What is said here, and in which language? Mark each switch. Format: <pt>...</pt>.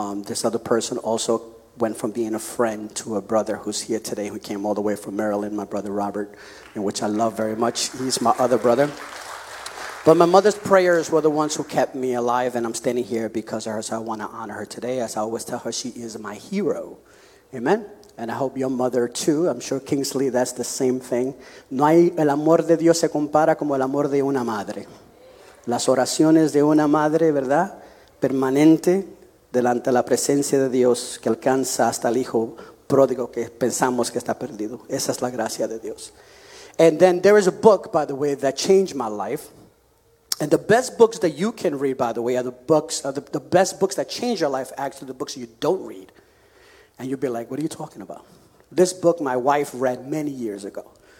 <en>This other person also went from being a friend to a brother who's here today, who came all the way from Maryland, my brother Robert, in which I love very much. He's my other brother. But my mother's prayers were the ones who kept me alive, and I'm standing here because of her, so I want to honor her today. As I always tell her, she is my hero. Amen? And I hope your mother too. I'm sure Kingsley, that's the same thing.</en> <es>No hay el amor de Dios se compara como el amor de una madre. Las oraciones de una madre, ¿verdad? Permanente delante de la presencia de Dios que alcanza hasta el hijo pródigo que pensamos que está perdido. Esa es la gracia de Dios.</es> <en>And then there is a book, by the way, that changed my life. And the best books that you can read, by the way, are the books, are the best books that change your life, actually, the books you don't read. And you'll be like, what are you talking about? This book my wife read many years ago.</en>